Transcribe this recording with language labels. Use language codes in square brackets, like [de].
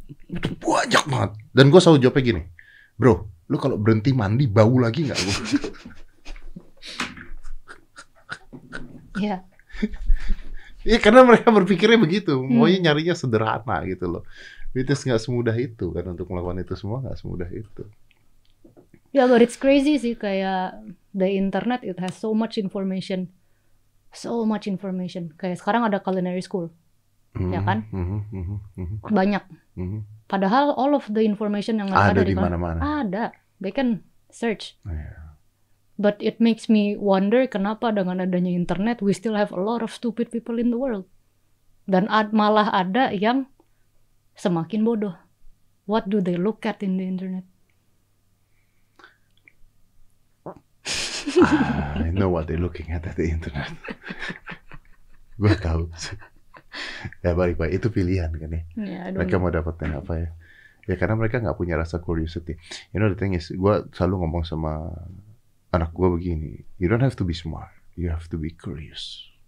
[id] Itu banyak banget. Dan gue selalu jawabnya gini, bro, lu kalau berhenti mandi bau lagi nggak? Iya. Iya karena mereka berpikirnya begitu, maunya nyarinya sederhana gitu loh. Itu nggak semudah itu kan untuk melakukan itu semua nggak semudah itu. [en] Ya, yeah, but it's crazy [id] sih kayak [en] the internet it has so much information. [id] Kayak sekarang ada culinary school, ya kan? Banyak. Padahal [en] all of the information yang [id] ada di mana-mana. Ada, [en] they can search. Oh, yeah. But it makes me wonder [id] kenapa dengan adanya internet [en] we still have a lot of stupid people in the world. [id] Dan malah ada yang semakin bodoh. [en] What do they look at in the internet? I know what they're looking at the internet. [id] Gua tahu. Ya baik-baik itu pilihan kan ya. [en] Yeah, [id] mereka mau dapetin apa ya? Ya karena mereka nggak punya rasa curiosity. [en] You know the thing is, [id] gue selalu ngomong sama anak gue begini, [en] you don't have to be smart, you have to be curious.